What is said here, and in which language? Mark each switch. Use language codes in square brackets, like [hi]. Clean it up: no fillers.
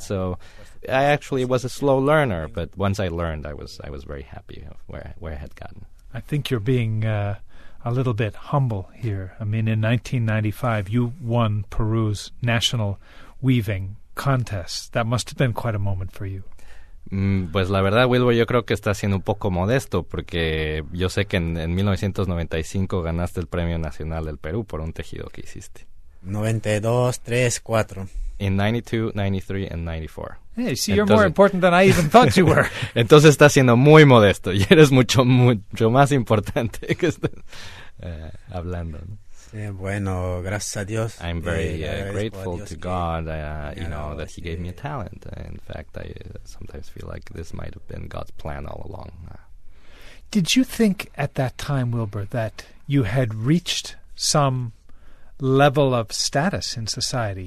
[en] So I actually was a slow learner, but once I learned, I was very happy where I had gotten. I think you're being a little bit humble here. I mean, in 1995, you won Peru's national weaving contest. That must have been quite a moment for you. [es] Pues la verdad, Wilbur, yo creo que estás siendo un poco modesto, porque yo sé que en 1995 ganaste el Premio Nacional del Perú por un tejido que hiciste. 92, 3, 4. [en] In 92, 93, and 94. Hey, see, [es] entonces, [en] you're more important than I even thought you were. [es] Entonces estás siendo muy modesto y eres mucho, mucho más importante que estás hablando. Bueno, gracias a Dios. [en] I'm very grateful to God, that he gave me a talent. In fact, I sometimes feel like this might have been God's plan all along. Did you think at that time, Wilbur, that you had reached some level of status in society?